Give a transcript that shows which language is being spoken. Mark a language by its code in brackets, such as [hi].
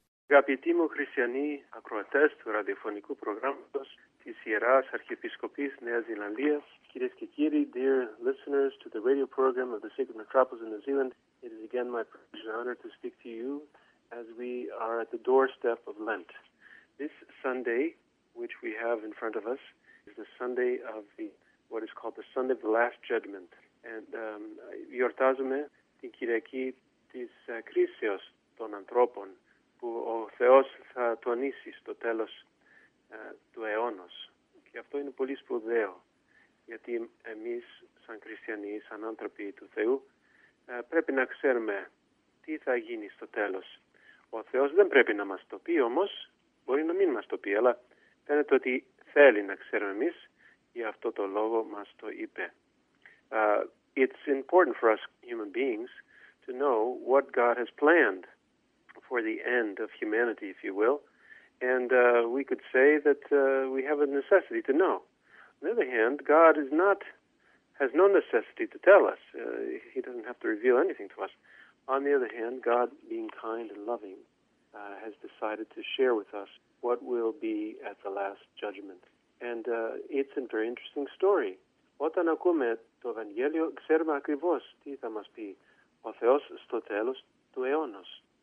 [el] Αγαπητοί μου χριστιανοί ακροατές του ραδιοφωνικού προγράμματος της Ιεράς Αρχιεπισκοπής Νέας Ζηλανδίας, κυρίες και κύριοι, [en] dear listeners to the radio program of the Sacred Metropolis in New Zealand, it is again my privilege and honor to speak to you as we are at the doorstep of Lent. This Sunday, which we have in front of us, is the Sunday of the what is called the Sunday of the Last Judgment. [el] And γιορτάζουμε την Κυριακή της κρίσεως των ανθρώπων που ο Θεός θα τονίσει στο τέλος του αιώνος. Και αυτό είναι πολύ σπουδαίο, γιατί εμείς σαν χριστιανοί, σαν άνθρωποι του Θεού, πρέπει να ξέρουμε τι θα γίνει στο τέλος. Ο Θεός δεν πρέπει να μας το πει όμως, μπορεί να μην μας το πει, αλλά φαίνεται ότι θέλει να ξέρουμε εμείς, γι' αυτό το λόγο μας το είπε. [en] It's important for us human beings to know what God has planned for the end of humanity, if you will, and we could say that we have a necessity to know. On the other hand, God has no necessity to tell us. He doesn't have to reveal anything to us. On the other hand, God, being kind and loving, has decided to share with us what will be at the last judgment. And it's a very interesting story. [el] Όταν ακούμε το Ευαγγέλιο, ξέρουμε ακριβώς τι θα μας πει ο Θεός στο τέλος του αιώνος.